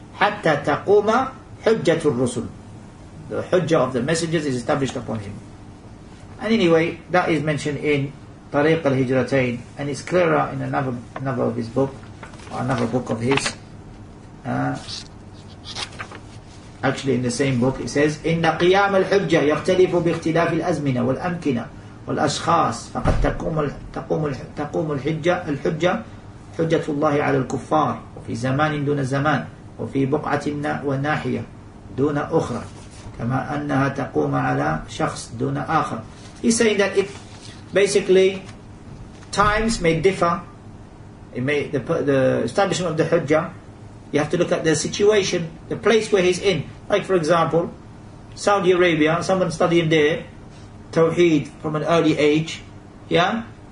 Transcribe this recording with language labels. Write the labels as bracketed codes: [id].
[ar] Hatta taquma hujjatul rusul. [en] The hujjah of the messengers is established upon him. And anyway, that is mentioned in Tariq al-Hijratain, and it's clearer in another of his book, or another book of his. Actually, in the same book, it says, [ar] إِنَّ قِيَامَ الْحُجَّةِ يَخْتَلِفُ بِاخْتِلَافِ الْأَزْمِنَ وَالْأَمْكِنَةِ وَالْأَشْخَاصِ فَقَدْ تَقُومُ الْحُجَّةُ حُجَّةُ اللَّهِ عَلَى الْكُفَّارِ وَفِي زَمَانٍ دُونَ زَمَانٍ وَفِي بُقْعَةٍ وَنَاحِيَةٍ دُونَ أُخْرَى كَمَا أَنَّهَا تَقُومَ عَلَى شَخْصٍ دُونَ آخَرٍ. [en] He's saying that it, basically, times may differ. It may, the establishment of the hujjah, you have to look at the situation, the place where he's in. Like for example, Saudi Arabia, someone studying there, Tawheed from an early age, yeah?